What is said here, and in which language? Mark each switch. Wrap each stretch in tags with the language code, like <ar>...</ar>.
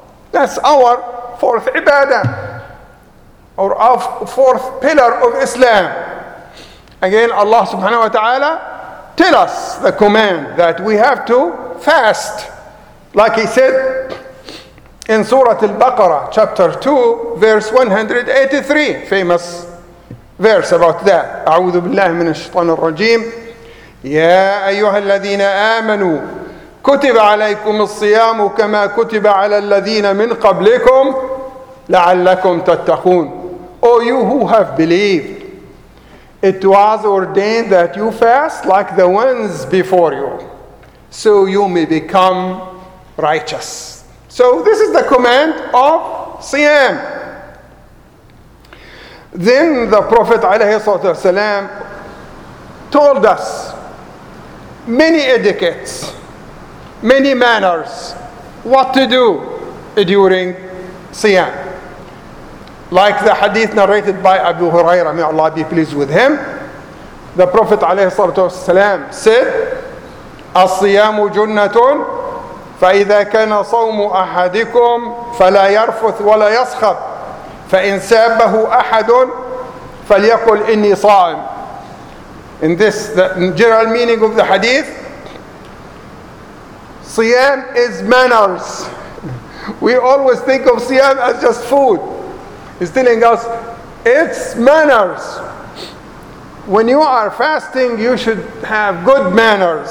<en>That's our fourth ibadah, or our fourth pillar of Islam. Again, Allah subhanahu wa ta'ala tell us the command that we have to fast. Like he said in Surah Al-Baqarah, chapter 2, verse 183, famous verse about that.</en> <ar>أعوذ بالله من الشيطان الرجيم يا أيها الذين آمنوا كتب عليكم الصيام كما كتب على الذين من قبلكم لعلكم تتقون.</ar> <en>O you who have believed, it was ordained that you fast like the ones before you, so you may become righteous. So this is the command of Siyam. Then the Prophet alayhi salatu wasalam told us many etiquettes, many manners, what to do during Siyam. Like the hadith narrated by Abu Huraira, may Allah be pleased with him. The Prophet alayhi salatu wasalam said,</en> <ar>الصيام جنة فإذا كان صوم أحدكم فلا يرفث ولا يسخط فإن سابه أحد فليقل إني صائم.</ar> <en>In this, the general meaning of the hadith, Siyam is manners. We always think of Siyam as just food. He's telling us it's manners. When you are fasting, you should have good manners.</en>